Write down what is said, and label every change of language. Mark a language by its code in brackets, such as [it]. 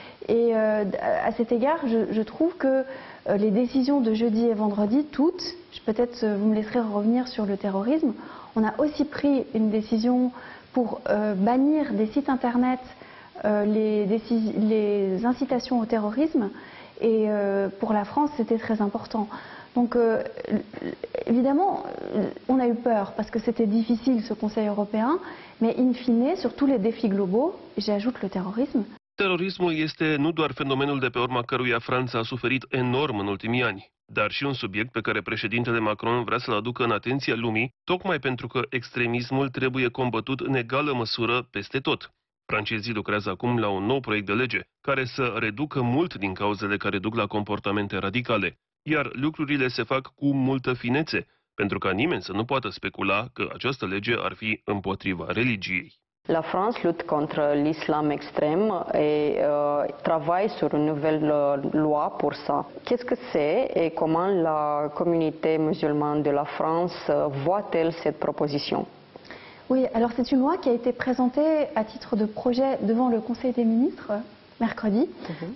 [fr] Et à cet égard, je trouve que les décisions de jeudi et vendredi, toutes, peut-être vous me laisserez revenir sur le terrorisme, on a aussi pris une décision pour bannir des sites internet les incitations au terrorisme, et pour la France, c'était très important. Donc évidemment, on a eu peur parce que c'était difficile, ce Conseil européen, mais in fine, sur tous les défis globaux, j'ajoute le terrorisme. [ro] Terorismul este nu doar fenomenul de pe urma căruia Franța a suferit enorm în ultimii ani, dar și un subiect pe care președintele Macron vrea să-l aducă în atenția lumii, tocmai pentru că extremismul trebuie combătut în egală măsură peste tot. Francezii lucrează acum la un nou proiect de lege, care să reducă mult din cauzele care duc la comportamente radicale, iar lucrurile se fac cu multă finețe, pentru ca nimeni să nu poată specula că această lege ar fi împotriva religiei. [fr] La France lutte contre l'islam extrême et travaille sur une nouvelle loi pour ça. Qu'est-ce que c'est et comment la communauté musulmane de la France voit-elle cette proposition? Oui, alors c'est une loi qui a été présentée à titre de projet devant le Conseil des ministres mercredi. Mmh.